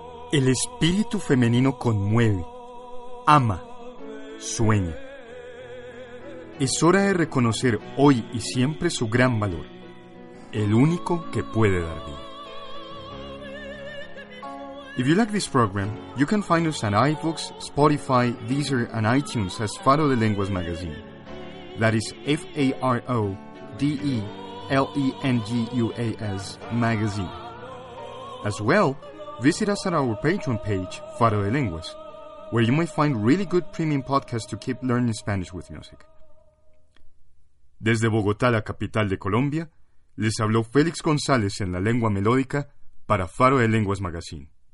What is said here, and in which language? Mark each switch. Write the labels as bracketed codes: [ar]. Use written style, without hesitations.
[es] El espíritu femenino conmueve, ama, sueña. Es hora de reconocer hoy y siempre su gran valor, el único que puede dar vida. [en] If you like this program, you can find us on iBooks, Spotify, Deezer, and iTunes as Faro de Lenguas Magazine. That is FaroDeLenguas Magazine. As well, visit us at our Patreon page, Faro de Lenguas, where you may find really good premium podcasts to keep learning Spanish with music. [es] Desde Bogotá, la capital de Colombia, les habló Félix González en la lengua melódica para Faro de Lenguas Magazine.